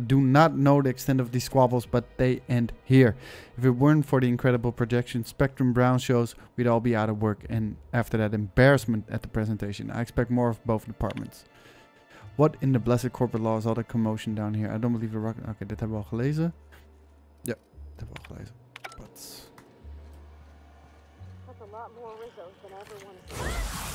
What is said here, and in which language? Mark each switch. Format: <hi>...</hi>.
<en>I do not know the extent of these squabbles, but they end here. If it weren't for the incredible projection Spectrum Brown shows, we'd all be out of work. And after that embarrassment at the presentation, I expect more of both departments. What in the blessed corporate law is all the commotion down here? I don't believe the rock.</en> <nl>Okay, dit hebben we al gelezen. Yep, dit hebben we al gelezen.</nl> <en>But... That's a lot more Rizzos than I ever wanted to.</en>